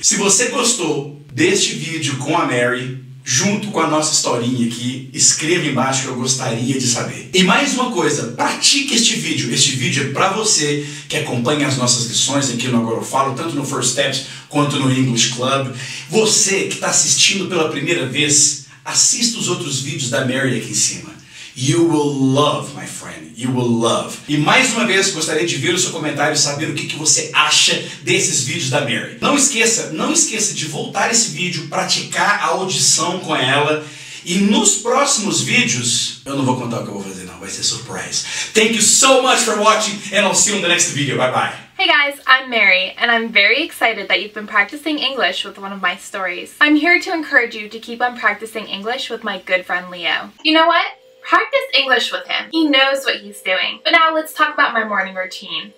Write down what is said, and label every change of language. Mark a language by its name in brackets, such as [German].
[Portuguese] Se você gostou deste vídeo com a Mary, junto com a nossa historinha aqui, escreva embaixo que eu gostaria de saber. E mais uma coisa, pratique este vídeo é para você que acompanha as nossas lições aqui no Agora Eu Falo, tanto no First Steps quanto no English Club. Você que está assistindo pela primeira vez, assista os outros vídeos da Mary aqui em cima. [English] You will love, my friend, you will love. [Portuguese] E mais uma vez, gostaria de ver o seu comentário e saber o que, que você acha desses vídeos da Mary. Não esqueça de voltar esse vídeo, praticar a audição com ela. E nos próximos vídeos, eu não vou contar o que eu vou fazer não, vai ser surprise. [English] Thank you so much for watching and I'll see you in the next video, bye bye. Hey guys, I'm Mary, and I'm very excited that you've been practicing English with one of my stories. I'm here to encourage you to keep on practicing English with my good friend Leo. You know what? Practice English with him. He knows what he's doing. But now let's talk about my morning routine.